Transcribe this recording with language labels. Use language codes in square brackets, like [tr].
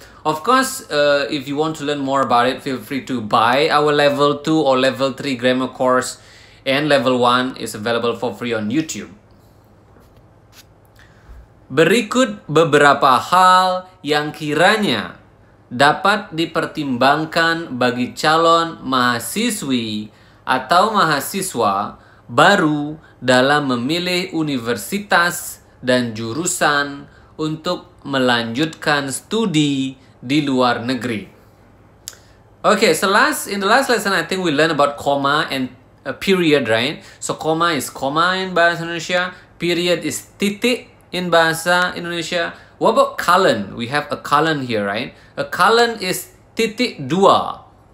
[en] Of course, if you want to learn more about it, feel free to buy our level 2 or level 3 grammar course, and level 1 is available for free on YouTube. [id] Berikut beberapa hal yang kiranya dapat dipertimbangkan bagi calon mahasiswi atau mahasiswa baru dalam memilih universitas dan jurusan untuk melanjutkan studi di luar negeri. [en] Okay, so in the last lesson, I think we learned about comma and a period, right? So comma is comma in Bahasa Indonesia. Period is titik in Bahasa Indonesia. What about colon? We have a colon here, right? A colon is titik dua.